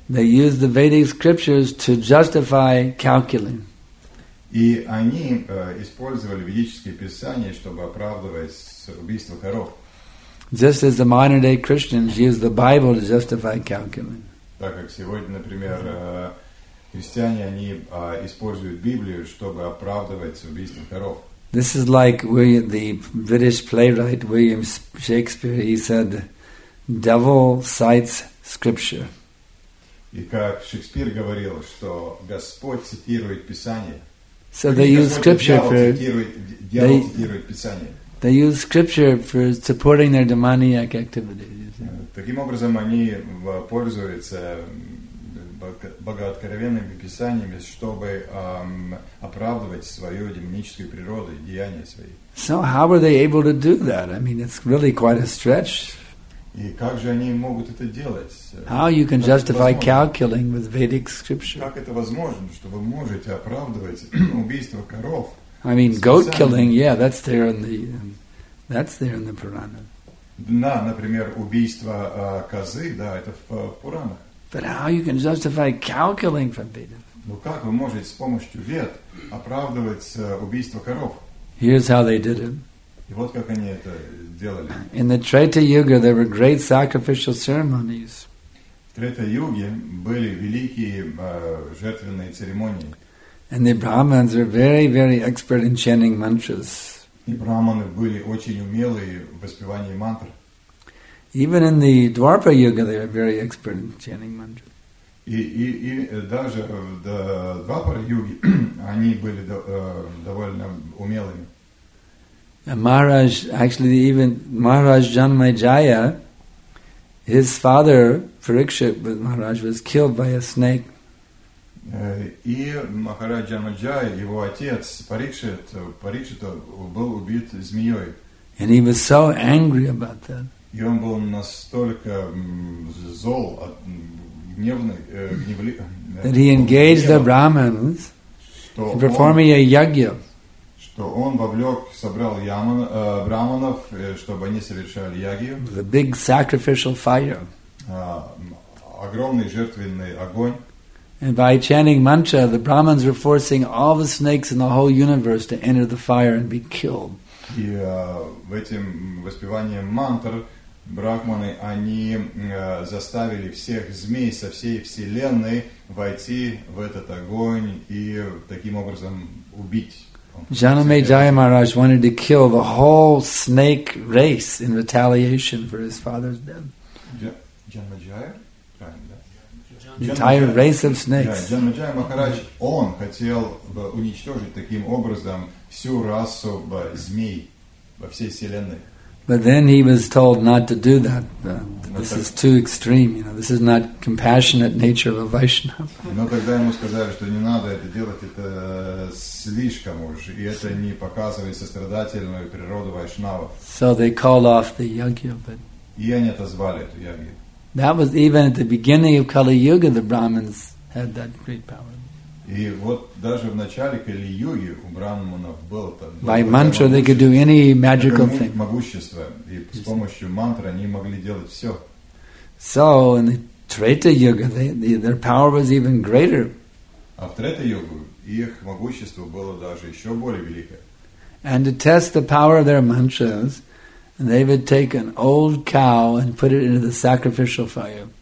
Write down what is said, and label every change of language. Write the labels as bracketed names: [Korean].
[English] They use the Vedic scriptures to justify cow killing. [Russian] И они использовали ведические писания, чтобы оправдывать убийство коров. [English] Just as the modern day Christians use the Bible to justify Calculus. [Russian] Так как сегодня, например, христиане, они используют Библию, чтобы оправдывать убийство коров. [English] This is like William, the British playwright William Shakespeare, he said, devil cites scripture. [Russian] И как Шекспир говорил, что Господь цитирует Писание. [English] So they use scripture for they use scripture for supporting their demoniac activities. [Russian] Таким образом, они пользуются богооткровенными писаниями, чтобы оправдывать свою демоническую природу, деяния свои. [English] So how were they able to do that? I mean, it's really quite a stretch. [Russian] И как же они могут это делать? [English] How you can justify calculating with Vedic scripture? [Russian] Как это возможно, что вы можете оправдывать убийство коров? [English] I mean, goat killing, yeah, that's there in the Purana. [Russian] Да, например, убийство козы, да, это в Пуранах. [English] But how you can justify calculating from Veda? [Russian] Ну как вы можете с помощью вед оправдывать убийство коров? [English] Here's how they did it. [Russian] И вот как они это делали. [English] In the Treta Yuga there were great sacrificial ceremonies. [Russian] В Трета Юге были великие жертвенные церемонии. [English] And the Brahmins were very, very expert in chanting mantras. [Russian] И брахманы были очень умелые в воспевании мантр. [English] Even in the Dwarpa Yuga, they were very expert in chanting mantras. [Russian] И даже в Двапара Юге они были довольно умелыми. [English] And Maharaj, actually, even Maharaj Janmajaya, his father Parikshit, but Maharaj was killed by a snake. [Russian] И Махарадж Джанмаджая, его отец Парикшит был убит змеей. [English] And he was so angry about that. [Russian] И он был настолько зол, гневный, [English] that he engaged the Brahmins in performing a yagya. [Russian] Что он вовлек, собрал брахманов, чтобы они совершали ягью. [English] The big sacrificial fire. [Russian] Огромный жертвенный огонь. [English] And by chanting mantra, the Brahmins were forcing all the snakes in the whole universe to enter the fire and be killed. [Russian] И в этом воспевании мантр брахманы они заставили всех змей со всей вселенной войти в этот огонь и таким образом убить. [English] Janamejaya Maharaj wanted to kill the whole snake race in retaliation for his father's death. Janamejaya. The entire race of snakes. Yeah, [Russian] Джанмаджая Махарадж, он хотел бы уничтожить таким образом всю расу змей во всей вселенной. [English] But then he was told not to do that. This is too extreme. You know, this is not compassionate nature of a Vaishnava. [Russian] Но тогда ему сказали, что не надо это делать, это слишком уж, и это не показывает сострадательную природу Вайшнава. [English] So they called off the yagya. But... [Russian] И они отозвали эту ягью. [English] That was even at the beginning of Kali Yuga, the Brahmins had that great power. [Russian] И вот даже в начале Кали Юги у брахманов было там. [English] By mantra, they could do any magical thing. [Russian] Могущество, и с помощью мантры они могли делать все. [English] So in the Treta Yuga, their power was even greater. [Russian] А в Трета Йогу их могущество было даже еще более великое. [English] And to test the power of their mantras. And they would take an old cow and put it into the sacrificial fire.